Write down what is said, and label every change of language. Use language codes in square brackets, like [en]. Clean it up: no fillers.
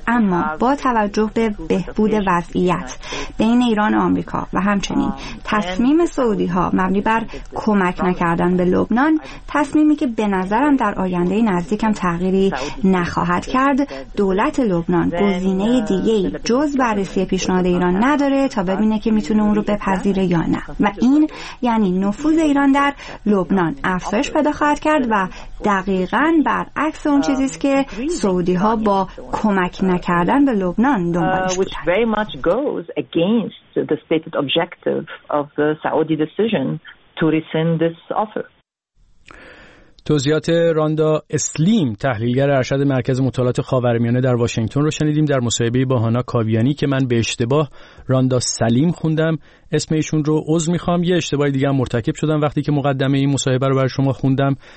[fa] اما با توجه به بهبود وضعیت بین ایران و آمریکا و همچنین تصمیم سعودی ها مبنی بر کمک نکردن به لبنان، تصمیمی که به نظرم در آینده نزدیکم تغییری نخواهد کرد، دولت لبنان گزینه دیگه‌ای جز بررسی پیشنهاد ایران نداره تا ببینه که میتونه اون رو بپذیره یا نه. و این یعنی نفوذ ایران در لبنان افزایش پیدا خواهد کرد و دقیقاً برعکس اون چیزی است که سعودی ها با کمک نکردن به لبنان دنبالش بودن. [en] Against the stated objective of the Saudi decision to rescind this offer. [fa] توضیحات راندا اسلیم، تحلیلگر ارشد مرکز مطالعات خاورمیانه در واشنگتن رو شنیدیم در مصاحبه با هانا کاویانی که من به اشتباه راندا سلیم خوندم. اسم ایشون رو عذر میخوام. یه اشتباه دیگه هم مرتکب شدم وقتی که مقدمه این مصاحبه رو برای شما خوندم.